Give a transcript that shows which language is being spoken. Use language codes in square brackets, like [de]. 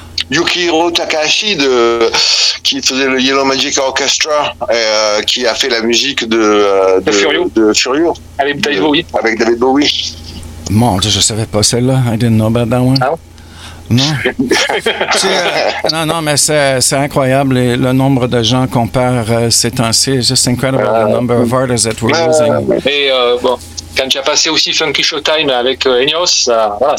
[fr] Yukihiro Takahashi, qui faisait le Yellow Magic Orchestra, qui a fait la musique de Furio. Avec David Bowie. Mon Dieu, je ne savais pas celle-là. [en] I didn't know about that one. Ah. [fr] Non. non, mais c'est incroyable le nombre de gens qu'on perd ces temps-ci. [en] It's just incredible the number of artists that we're losing. [fr] Quand tu as passé aussi Funky Showtime avec Enios, ça...